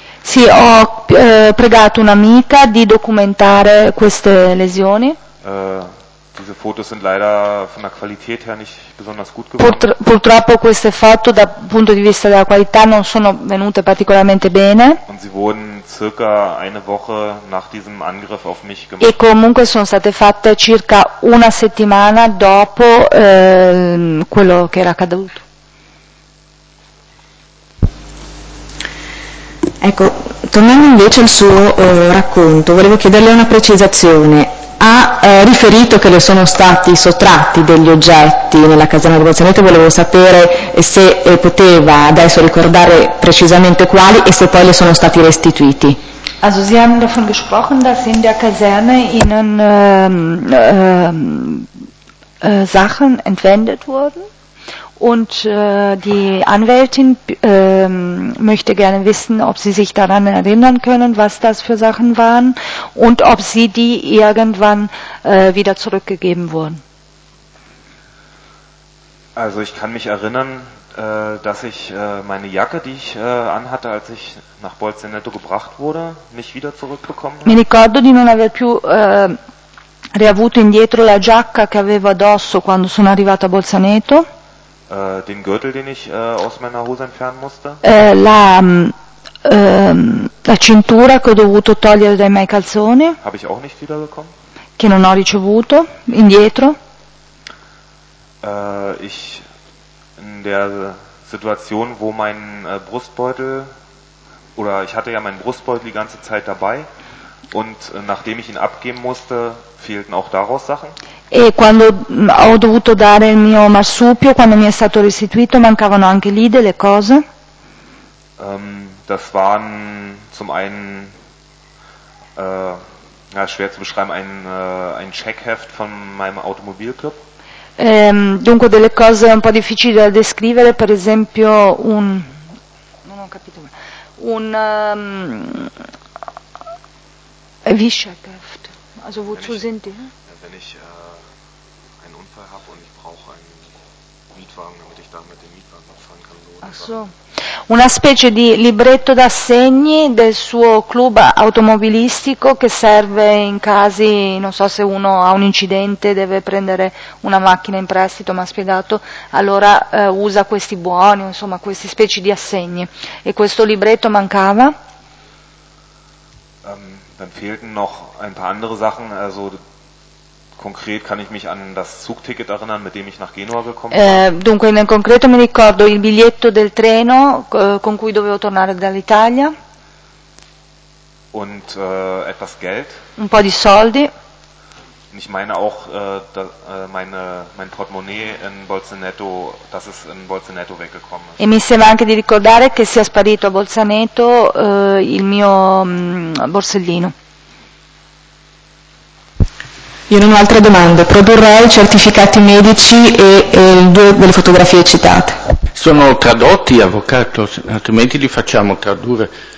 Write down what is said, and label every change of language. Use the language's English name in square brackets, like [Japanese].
[Italian] Sì, ho pregato un'amica di documentare queste lesioni. [German] Diese Fotos sind leider von der Qualität her nicht besonders gut geworden. [Italian] Purtroppo queste foto dal punto di vista della qualità non sono venute particolarmente bene. [German] Und sie wurden circa eine Woche nach diesem Angriff auf mich gemacht. [Italian] E comunque sono state fatte circa una settimana dopo quello che era accaduto. Ecco, tornando invece al suo racconto, volevo chiederle una precisazione. Ha riferito che le sono stati sottratti degli oggetti nella caserma di Bolzaneto, volevo sapere se poteva adesso ricordare precisamente quali e se poi le sono stati restituiti. [German] Also Sie haben davon gesprochen, dass in der Kaserne Ihnen Sachen entwendet wurden? Und die Anwältin möchte gerne wissen, ob Sie sich daran erinnern können, was das für Sachen waren und ob Sie die irgendwann wieder zurückgegeben wurden. Also ich kann mich erinnern, dass ich meine Jacke, die ich anhatte, als ich nach Bolzaneto gebracht wurde, nicht wieder zurückbekommen habe. [Italian] Mi ricordo di non aver più riavuto indietro la giacca che avevo addosso quando sono arrivato a Bolzaneto. [German] Den Gürtel, den ich aus meiner Hose entfernen musste. [Italian] La cintura che ho dovuto togliere dai miei calzoni. [German] Habe ich auch nicht wieder bekommen. [Italian] Che non ho ricevuto indietro. [German] Ich in der Situation, wo mein Brustbeutel oder ich hatte ja meinen Brustbeutel die ganze Zeit dabei. Und nachdem ich ihn abgeben musste, fehlten auch daraus Sachen. [Italian] E quando ho dovuto dare il mio marsupio, quando mi è stato restituito, mancavano anche lì delle cose. [German] Das waren zum einen schwer zu beschreiben, ein Checkheft von meinem Automobilclub. [Italian] Dunque delle cose un po' difficili da descrivere, per esempio [German] wie Checkheft? Also wozu sind die? Wenn ich einen Unfall habe und ich brauche einen Mietwagen, damit ich damit den Mietwagen fahren kann. Ach so. [Italian] Una specie di libretto d'assegni del suo club automobilistico che serve in casi, non so se uno ha un incidente, deve prendere una macchina in prestito, mi ha spiegato, allora usa questi buoni, insomma questi specie di assegni. E questo libretto mancava? [German] Dann fehlten noch ein paar andere Sachen, also konkret kann ich mich an das Zugticket erinnern, mit dem ich nach Genua gekommen bin. [Italian] Dunque, nel concreto mi ricordo il biglietto del treno con cui dovevo tornare dall'Italia. [German] Und etwas Geld. [Italian] Un po' di soldi. [German] Ich meine auch mein Portemonnaie in Bolzaneto, dass es in Bolzaneto weggekommen ist. [Italian] E mi sembra anche di ricordare che sia sparito a Bolzaneto il mio borsellino. Io non ho altre domande, produrrei certificati medici e due delle fotografie citate. Sono tradotti, avvocato, altrimenti li facciamo tradurre.